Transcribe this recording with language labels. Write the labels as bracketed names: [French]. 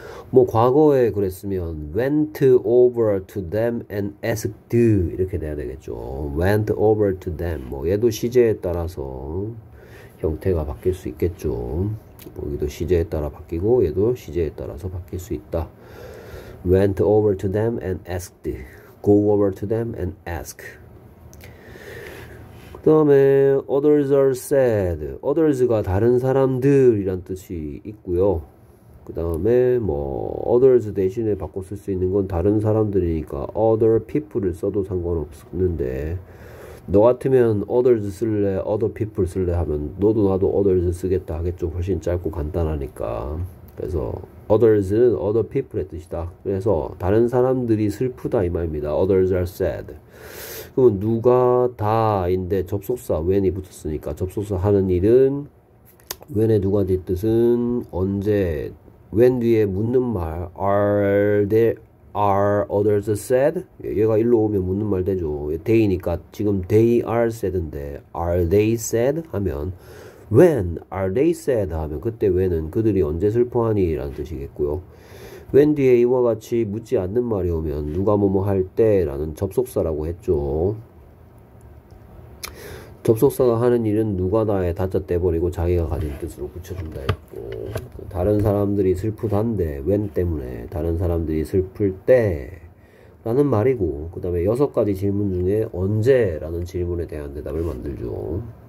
[Korean] 뭐 과거에 그랬으면 [English] went over to them and asked [Korean] 이렇게 돼야 되겠죠? [English] went over to them [Korean] 뭐 얘도 시제에 따라서 형태가 바뀔 수 있겠죠? 뭐 여기도 시제에 따라 바뀌고 얘도 시제에 따라서 바뀔 수 있다. [English] went over to them and asked go over to them and ask. [Korean] 그 다음에 [English] others are sad. [Korean] others가 다른 사람들이란 뜻이 있고요. 그 다음에 뭐 others 대신에 바꿔 쓸수 있는 건 다른 사람들이니까 [English] other people [Korean] 을 써도 상관없는데 너 같으면 others 쓸래? other people 쓸래? 하면 너도 나도 others 쓰겠다 하겠죠. 훨씬 짧고 간단하니까. 그래서 others는 other people의 뜻이다. 그래서 다른 사람들이 슬프다 이 말입니다. [English] others are sad. [Korean] 그러면 누가 다인데 접속사 when이 붙었으니까 접속사 하는 일은 when의 누가지 뜻은 언제 when 뒤에 묻는 말 [English] are others sad? [Korean] 얘가 일로 오면 묻는 말 되죠. [English] they니까 지금 they are sad인데 are they sad? 하면 when are they sad? [Korean] 하면 그때 when은 그들이 언제 슬퍼하니라는 뜻이겠고요. when 뒤에 이와 같이 묻지 않는 말이 오면 누가 뭐뭐 할 때라는 접속사라고 했죠. 접속사가 하는 일은 누가 나의 다짜 떼버리고 자기가 가진 뜻으로 붙여준다 했고 다른 사람들이 슬프단데 when 때문에 다른 사람들이 슬플 때 라는 말이고 그 다음에 여섯 가지 질문 중에 언제 라는 질문에 대한 대답을 만들죠.